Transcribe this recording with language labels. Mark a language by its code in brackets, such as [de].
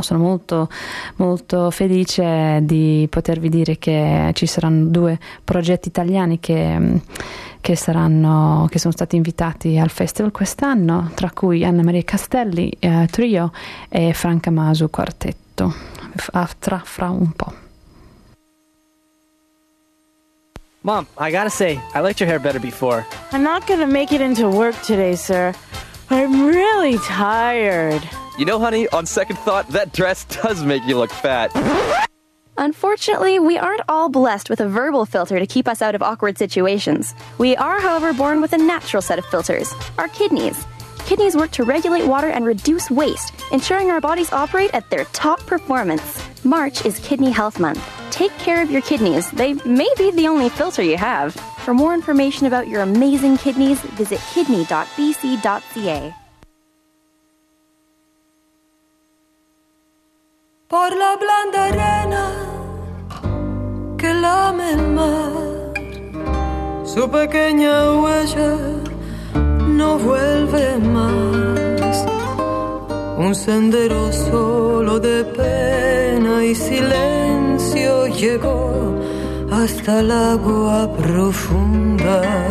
[it] Sono molto molto felice di potervi dire che ci saranno due progetti italiani che sono stati invitati al festival quest'anno, tra cui Anna Maria Castelli, trio, e Franca Masu, quartetto, fra un po'. [en] Mom, I gotta say, I liked your hair better before. I'm not gonna make it into work today, sir. I'm really tired. You know, honey, on second thought, that dress does make you look fat. Unfortunately, we aren't all blessed with a verbal filter to keep us out of awkward situations. We are, however, born with a natural set of filters, our kidneys. Kidneys work to regulate water and reduce waste, ensuring our bodies operate at their top performance. March is Kidney Health Month. Take care of your kidneys. They may be the only filter you have. For more information about your amazing kidneys, visit kidney.bc.ca. [es] Por la blanda arena que lame el mar, su pequeña huella no vuelve más. Un sendero solo de pena y silencio llegó hasta el agua profunda.